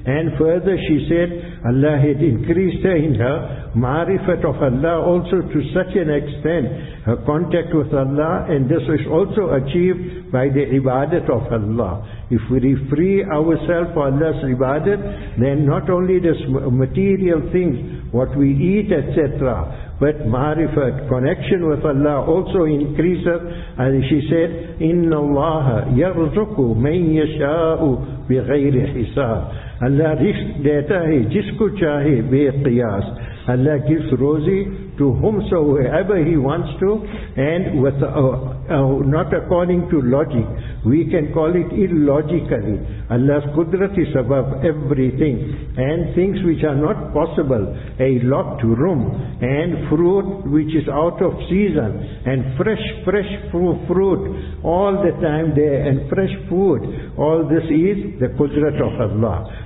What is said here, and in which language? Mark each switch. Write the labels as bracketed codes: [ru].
[en] And further she said, Allah had increased her in her ma'rifat of Allah also to such an extent, her contact with Allah, and this is also achieved by the ibadat of Allah. If we free ourselves for Allah's ibadat, then not only this material things, what we eat, etc., but ma'rifat, connection with Allah also increases. And she said, [ar] إِنَّ اللَّهَ يَرْزُقُ مَنْ يَشَاءُ بِغَيْرِ حِسَابٍ. [ur] Allah risk deta hai jisko chahe be qiyas. [en] Allah gives rozi to whomsoever He wants to, and with not according to logic. We can call it illogically. Allah's kudrat is above everything, and things which are not possible, a locked room, and fruit which is out of season, and fresh fruit all the time there, and fresh food, all this is the kudrat of Allah.